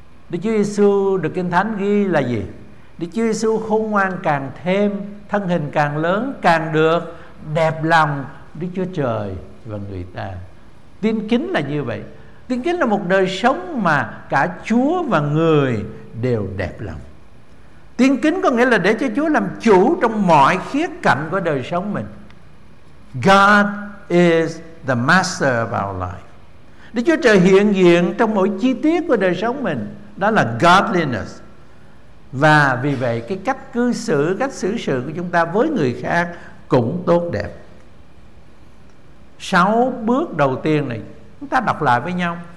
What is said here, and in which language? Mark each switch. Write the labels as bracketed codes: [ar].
[vi] Đức Chúa Giêsu được Kinh Thánh ghi là gì? Đức Chúa Giêsu khôn ngoan càng thêm, thân hình càng lớn càng được đẹp lòng Đức Chúa Trời và người ta. Tin kính là như vậy. Tin kính là một đời sống mà cả Chúa và người đều đẹp lòng. Tin kính có nghĩa là để cho Chúa làm chủ trong mọi khía cạnh của đời sống mình. [en] God is the master of our life. [vi] Đức Chúa Trời hiện diện trong mỗi chi tiết của đời sống mình. Đó là godliness. Và vì vậy cái cách cư xử, cách xử sự của chúng ta với người khác cũng tốt đẹp. Sáu bước đầu tiên này chúng ta đọc lại với nhau.